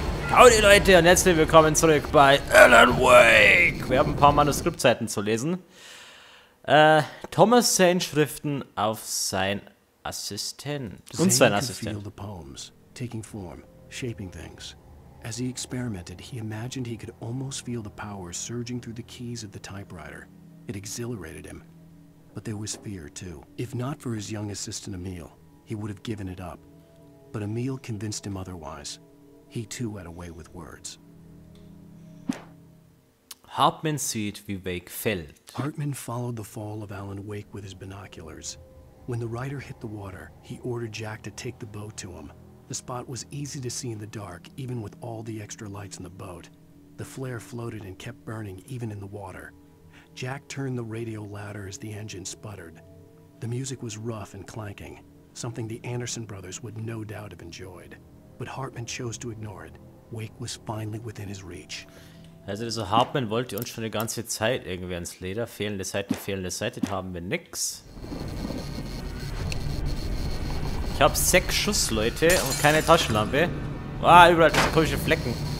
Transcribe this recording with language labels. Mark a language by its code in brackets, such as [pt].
[de] Howdy Leute und herzlich willkommen zurück bei Alan Wake. Wir haben ein paar Manuskriptseiten zu lesen. Thomas Sane Schriften auf sein Assistent. Und sein Assistent. [en] Sane could feel the poems, taking form, shaping things. As he experimented, he imagined he could almost feel the power surging through the keys of the typewriter. It exhilarated him. But there was fear too. If not for his young assistant Emil, he would have given it up. But Emil convinced him otherwise. He too had a way with words. [de] Hartman sieht, wie Wake fällt. [en] Hartman followed the fall of Alan Wake with his binoculars. When the writer hit the water, he ordered Jack to take the boat to him. The spot was easy to see in the dark, even with all the extra lights in the boat. The flare floated and kept burning, even in the water. Jack turned the radio louder as the engine sputtered. The music was rough and clanking, something the Anderson brothers would no doubt have enjoyed. But Hartman chose to ignore it. Wake was finally within his reach. [de] Also dieser Hartman wollte uns schon die ganze Zeit irgendwie ans Leder. Fehlende Seite, haben wir nix. Ich hab 6 Schuss, Leute, und keine Taschenlampe. Ah, überall diese komische Flecken.